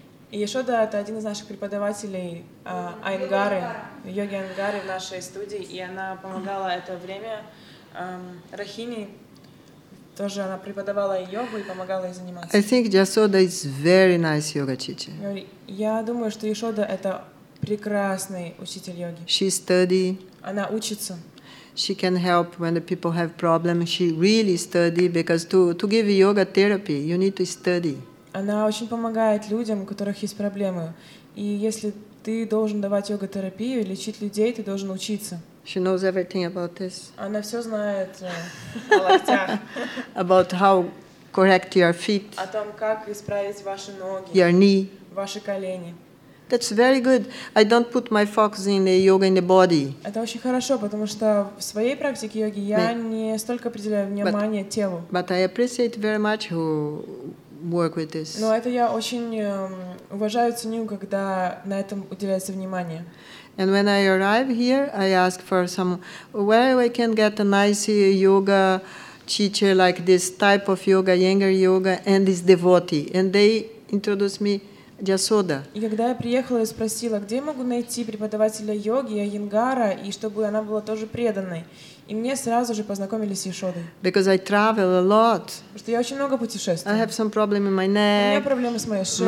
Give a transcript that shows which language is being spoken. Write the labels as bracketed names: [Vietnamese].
[Russian] И Yashoda это один из наших преподавателей Айнгары, йоги Айнгары в нашей студии, и она помогала это время Рахине. Тоже она преподавала йогу и помогала ей заниматься. [English] I think Yashoda is very nice yoga teacher. [Russian] Я думаю, что Yashoda это прекрасный учитель йоги. [English] She study. [Russian] Она учится. [English] She can help when the people have problems. She really study because to give yoga therapy, you need to study. [Russian] Она очень помогает людям, у которых есть проблемы. И если ты должен давать йога-терапию, лечить людей, ты должен учиться. [English] She knows everything about this. [Russian] Она все знает о [English] локтях. About how correct your feet. [Russian] О том, как исправить ваши ноги. [English] Your knee. [Russian] Ваши колени. [English] That's very good. I don't put my focus in the yoga in the body. [Russian] Это очень хорошо, потому что в своей практике йоги я не столько определяю внимание телу. [English] But I appreciate very much who work with this. [Russian] Но это я очень уважаю, ценю, когда на этом уделяется внимание. [English] And when I arrive here, I ask for some where I can get a nice yoga teacher like this type of yoga, younger yoga, and this devotee. And they introduce me Yashoda. [Russian] И когда я приехала, я спросила, где я могу найти преподавателя йоги Айенгара, и чтобы она была тоже преданной. И мне сразу же познакомились с Yashodой. [English] Because I travel a lot. [Russian] Потому что я очень много путешествую. [English] I have some problem in my neck. [Russian] У меня проблемы с моей шеей.